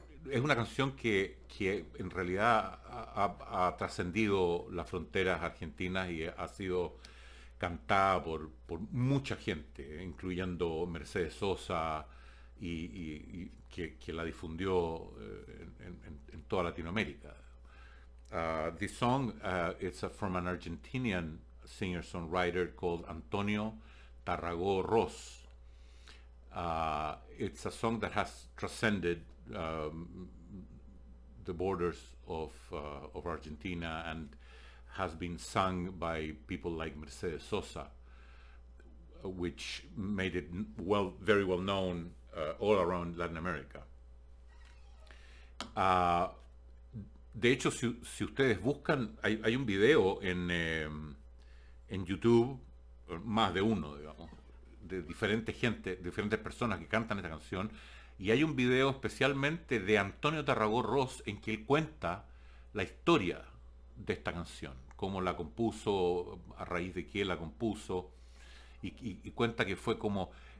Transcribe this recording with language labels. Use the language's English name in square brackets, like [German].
[Spanish] Es una canción que en realidad ha trascendido las fronteras argentinas y ha sido cantada por mucha gente, incluyendo Mercedes Sosa, y que la difundió en toda Latinoamérica. [English] This song it's from an Argentinian singer-songwriter called Antonio Tarragó Ross. It's a song that has transcended the borders of Argentina and has been sung by people like Mercedes Sosa, which made it very well known all around Latin America. [Spanish] De hecho, si ustedes buscan, hay un video en YouTube, más de uno, digamos, de diferentes personas que cantan esta canción, y hay un video especialmente de Antonio Tarragó Ross en que él cuenta la historia de esta canción, cómo la compuso, a raíz de qué la compuso, y cuenta que fue como